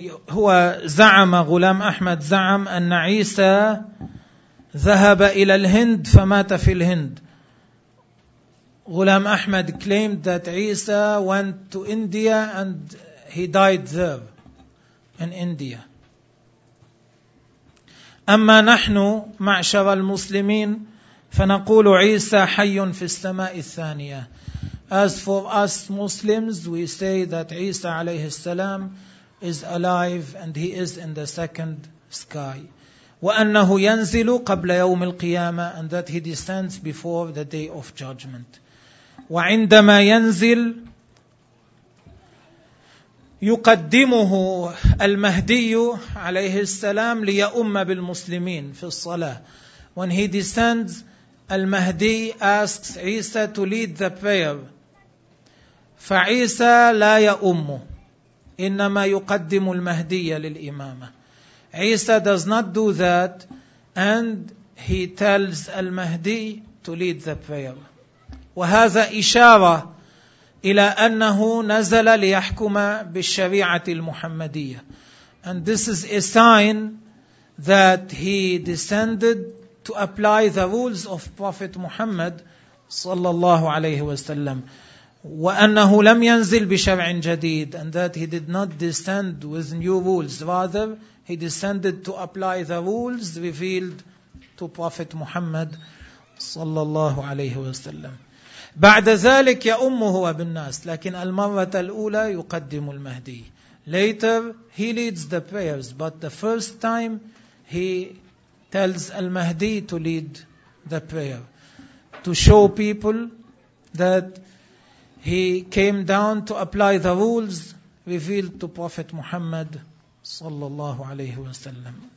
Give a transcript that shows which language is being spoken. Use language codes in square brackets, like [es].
[ar] هو زعم غلام أحمد زعم أن عيسى ذهب إلى الهند فمات في الهند. [en] Ghulam Ahmad claimed that عيسى went to India and he died there in India. [ar] أما نحن معشر المسلمين فنقول عيسى حي في السماء الثانية. [en] As for us Muslims, we say that عيسى [ar] عليه السلام [en] is alive and he is in the second sky. [ar] وأنه ينزل قبل يوم القيامة, [en] and that he descends before the day of judgment. [ar] وعندما ينزل يقدمه المهدي عليه السلام ليؤم بالمسلمين في الصلاة. [en] When he descends, المهدي asks عيسى to lead the prayer. [ar] فعيسى لا يؤمه. إنما يقدم المهدية للإمامة. [en] عيسى does not do that and he tells المهدي to lead the prayer. [ar] وهذا إشارة إلى أنه نزل ليحكم بالشريعة المحمدية. [en] And this is a sign that he descended to apply the rules of Prophet Muhammad [ar] صلى الله عليه وسلم. وأنه لم ينزل بشرع جديد, [en] and that he did not descend with new rules, rather he descended to apply the rules revealed to Prophet Muhammad [ar] صلى الله عليه وسلم. بعد ذلك يأمه وبالناس, لكن المرة الأولى يقدم المهدي. [en] Later he leads the prayers, but the first time he tells المهدي to lead the prayer, to show people that he came down to apply the rules revealed to Prophet Muhammad [ar] sallallahu alayhi wa sallam.